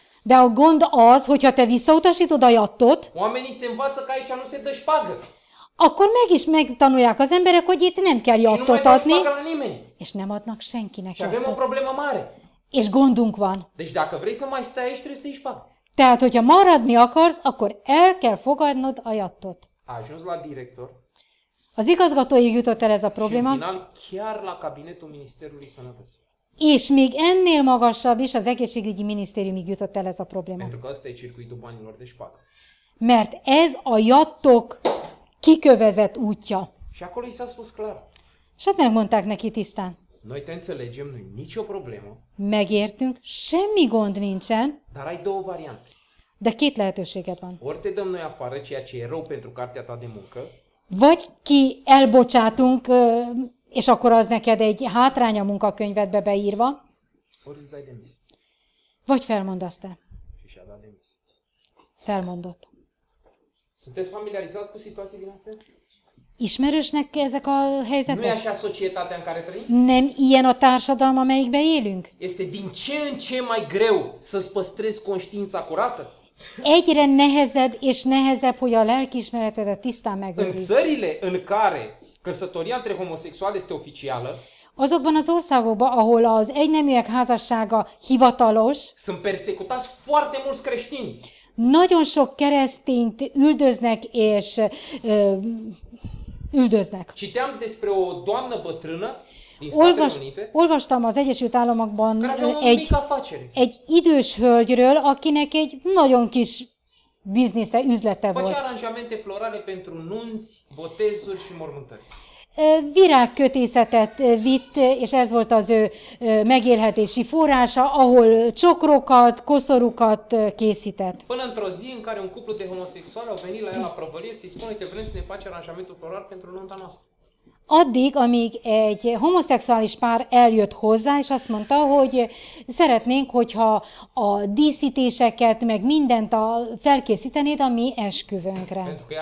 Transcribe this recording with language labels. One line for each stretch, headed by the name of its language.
Hungarian: de a gond az, hogyha te visszautasítod a jattot,
Romanian: oamenii se învață că aici nu se dă șpagă.
Hungarian: Akkor meg is megtanulják az emberek, hogy itt nem kell jattot adni, és nem adnak senkinek jattot.
Romanian: Și avem o problemă mare.
Hungarian: És gondunk van.
Romanian: Deci dacă vrei să mai stai aici, trebuie să-i șpagă.
Hungarian: Tehát, hogyha maradni akarsz, akkor el kell fogadnod a jattot.
Romanian: Ajuns la director.
Hungarian: Az igazgatóig jutott el ez a probléma.
Romanian: Final, chiar la cabinetul ministerului sănătății.
Hungarian: És még ennél magasabb is az egészségügyi minisztériumig jutott el ez a probléma.
Romanian: Pentru că asta e circuitul banilor de șpagă.
Hungarian: Mert ez a jattok kikövezett útja.
Romanian: Și acolo i s-a spus clar.
Hungarian: És ott megmondták neki tisztán.
Romanian: Noi te înțelegem, nu-i nicio problemă.
Hungarian: Megértünk, semmi gond nincsen.
Romanian: Dar ai două variante.
Hungarian: De két lehetőséged van.
Romanian: Ori te dăm noi afară, ceea ce e rău pentru cartea ta de muncă.
Hungarian: Vagy ki elbocsátunk, és akkor az neked egy hátrány a munkakönyvedbe beírva.
Romanian: Ori îți dai demis.
Hungarian: Vagy felmondasz te.
Romanian: Și și-a dat demis.
Hungarian: Felmondott.
Romanian: Sunteți familiarizați cu situații din astea?
Hungarian: Ismerősnek ezek a helyzetek?
Romanian: Nu e așa societatea în care trăim?
Hungarian: Nem ilyen a társadalom, amelyikbe élünk?
Romanian: Este din ce în ce mai greu să-ți păstrezi conștiința curată?
Hungarian: Egyre nehezebb és nehezebb, hogy a lelkiismeretedet tisztán megőrizd.
Romanian: În țările în care căsătoria între homosexuali este oficială,
Hungarian: azokban az országokban, ahol az egyneműek házassága hivatalos,
Romanian: sunt persecutați foarte mulți creștini.
Hungarian: Nagyon sok keresztényt üldöznek és üldöznek.
Romanian: Citeam despre o doamnă bătrână din Statele Unite.
Hungarian: Olvastam az Egyesült Államokban egy idős hölgyről, akinek egy nagyon kis biznisze, üzlete volt.
Romanian: Făcea aranjamente florale pentru nunți, botezuri și mormântări.
Hungarian: Virágkötészetet vitt, és ez volt az ő megélhetési forrása, ahol csokrokat, koszorukat készített.
Romanian: Până într-o zi în care un cuplu de homosexuali au venit la ea la prăvălie, și spune că vrem să ne faci aranjamentul floral pentru nunta noastră.
Hungarian: Addig, amíg egy homoszexuális pár eljött hozzá, és azt mondta, hogy szeretnénk, hogyha a díszítéseket, meg mindent felkészítenéd a mi esküvőnkre.